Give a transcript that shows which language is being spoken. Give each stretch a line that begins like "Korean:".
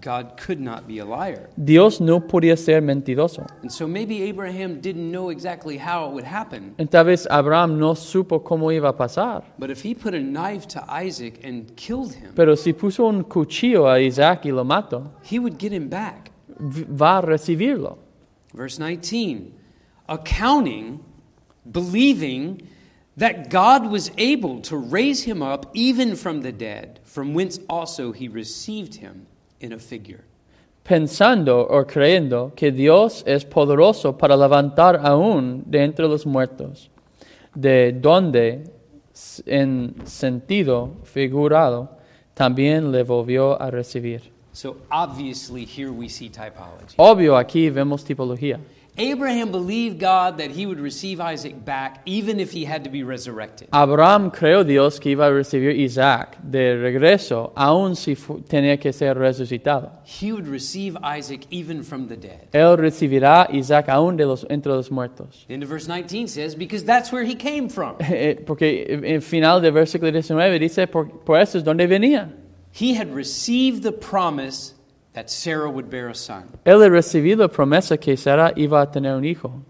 English: God could not be a liar.
Spanish: Dios no podía ser mentiroso.
English: And so maybe Abraham didn't know exactly how it would happen.
Spanish: Y tal vez Abraham no supo cómo iba a pasar.
English: But if he put a knife to Isaac and killed him,
Spanish: pero si puso un cuchillo a Isaac y lo mato,
English: he would get him back.
Spanish: Va a recibirlo.
English: Verse 19. Accounting, believing that God was able to raise him up even from the dead, from whence also he received him in a figure.
Spanish: Pensando o creyendo que Dios es poderoso para levantar aún de entre los muertos, de donde en sentido figurado también le volvió a recibir.
English: So obviously here we see typology.
Spanish: Obvio, aquí vemos tipología.
English: Abraham believed God that he would receive Isaac back even if he had to be resurrected.
Spanish: Abraham creyó Dios que iba a recibir Isaac de regreso aun si tenía que ser resucitado.
English: He would receive Isaac even from the dead.
Spanish: Él recibirá Isaac aun de los entre los muertos.
English: And verse 19 says, because that's where he came from.
Spanish: Porque en final del versículo 19 dice, por eso es donde venía.
English: He had received the promise that Sarah would bear a son.
Spanish: Él recibió la promesa que Sara iba a tener un hijo.